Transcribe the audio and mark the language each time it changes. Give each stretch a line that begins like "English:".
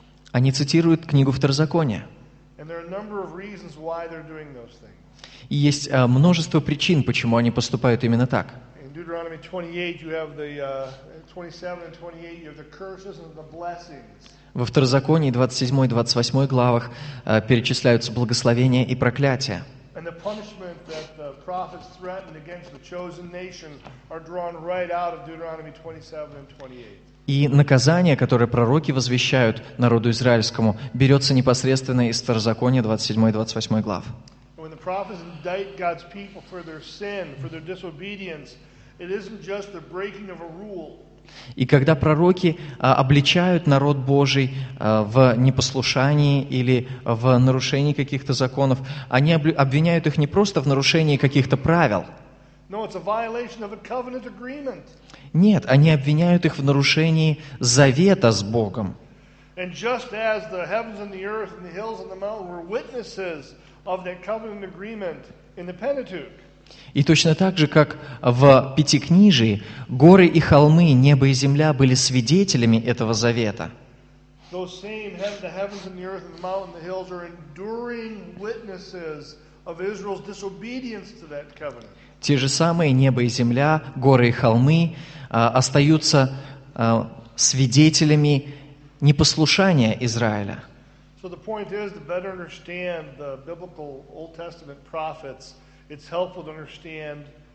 Russian: Они цитируют книгу Второзакония. И есть множество причин, почему они поступают именно так.
English: In Deuteronomy 28, you have the 27 and 28, you have the curses and the blessings.
Russian: Во Второзаконии 27 и 28 главах перечисляются благословения и проклятия.
English: And the punishment that the prophets threatened against the chosen nation are drawn right out of Deuteronomy 27 and 28.
Russian: И наказание, которое пророки возвещают народу израильскому, берется непосредственно из Второзакония 27 и 28 глав.
English: And when the prophets indict God's people for their sin, for their disobedience, it isn't just the breaking of a rule.
Russian: И когда пророки обличают народ Божий в непослушании или в нарушении каких-то законов, они обвиняют их не просто в нарушении каких-то правил.
English: No, it's a violation of a covenant agreement.
Russian: Нет, они обвиняют их в нарушении завета с Богом.
English: And just as the heavens and the earth and the hills and the mountains were witnesses of that covenant agreement in the Pentateuch.
Russian: И точно так же, как в Пятикнижии, горы и холмы, небо и земля были свидетелями этого завета. Те же самые небо и земля, горы и холмы остаются свидетелями непослушания Израиля.
English: So the point is to better understand the biblical Old Testament prophets. It's helpful to understand